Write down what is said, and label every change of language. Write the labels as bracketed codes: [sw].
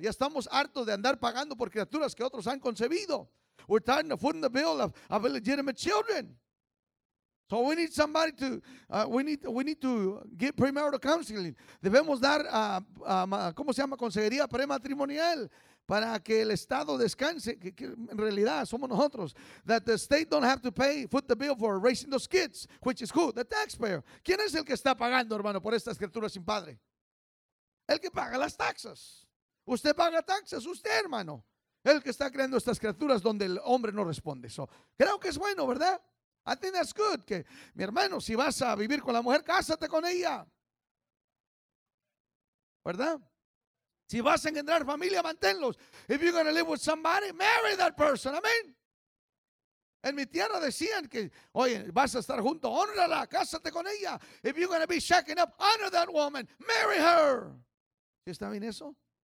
[es] Ya estamos hartos de andar pagando por criaturas que otros han concebido. [en] We're tired of footing the bill of illegitimate children. So we need somebody to we need to get premarital counseling. [es] Debemos dar ¿cómo se llama? Consejería prematrimonial para que el estado descanse. Que en realidad somos nosotros. [en] That the state don't have to pay foot the bill for raising those kids, which is who? The taxpayer. [es] ¿Quién es el que está pagando, hermano, por estas criaturas sin padre? El que paga las taxas. Usted paga taxas, usted, hermano. El que está creando estas criaturas donde el hombre no responde. So, creo que es bueno, ¿verdad? [en] I think that's good. [es] Que, mi hermano, si vas a vivir con la mujer, cásate con ella. ¿Verdad? Si vas a engendrar familia, manténlos. [en] If you're going to live with somebody, marry that person. [es] Amén. En mi tierra decían que, oye, vas a estar junto, honrala, cásate con ella. [en] If you're going to be shacking up, honor that woman, marry her. [es] ¿Está bien eso?